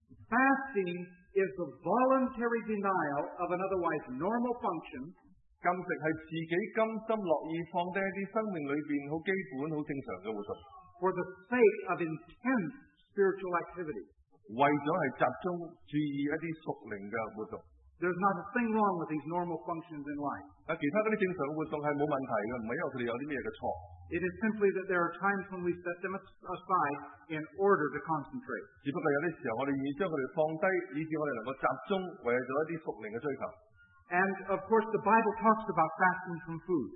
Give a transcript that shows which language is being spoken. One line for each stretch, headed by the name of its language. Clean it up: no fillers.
English: Fasting is the voluntary denial of an otherwise normal function.
Cantonese: 禁食系自己甘心乐意放低一啲生命里边好基本、好正常嘅活动。
English: For the sake of intense spiritual activity.
Cantonese: 为咗系集中注意一啲属灵嘅活动。
English: There's not a thing wrong with these normal functions in life. It is simply that there are times when we set them aside in order to concentrate. And of course, the Bible talks about fasting from food.